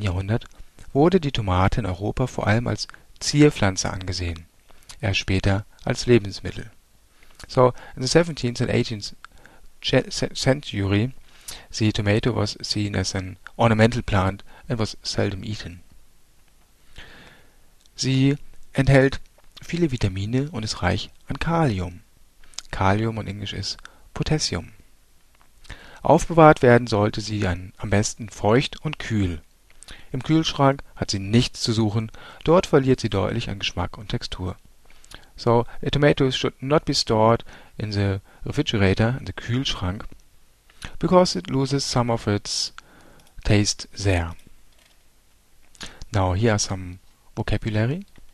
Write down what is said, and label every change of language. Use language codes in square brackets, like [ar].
[de] Jahrhundert wurde die Tomate in Europa vor allem als Zierpflanze angesehen, erst später als Lebensmittel. [en] So, in the 17th and 18th century, the tomato was seen as an ornamental plant and was seldom eaten. [de] Sie enthält viele Vitamine und ist reich an Kalium. Kalium in Englisch ist Potassium. Aufbewahrt werden sollte sie am besten feucht und kühl. Im Kühlschrank hat sie nichts zu suchen, dort verliert sie deutlich an Geschmack und Textur. [en] So, a tomato should not be stored in the refrigerator, in the Kühlschrank, because it loses some of its taste there. Now, here are some vocabulary.